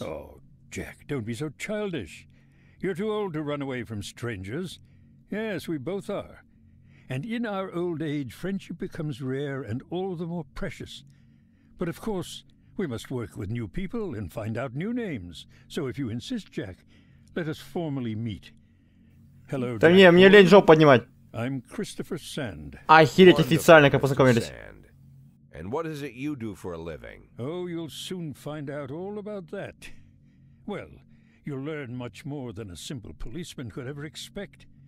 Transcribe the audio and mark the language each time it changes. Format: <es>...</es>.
<en>Oh, Jack, don't be so childish. You're too old to run away from strangers. Yes, we both are. And in our old age, friendship becomes rare and all the more precious. But of course, we must work with new people and find out new names. So if you insist, Jack, let us formally meet. Hello, Jack.</en> <ru>Да не, мне лень жопу поднимать.</ru> <en>I'm Christopher Sand.</en> <ru>Охереть официально, как познакомились.</ru> <en>And what is it you do for a living? Oh, you'll soon find out all about that. Well, you'll learn much more than a simple policeman could ever expect.</en>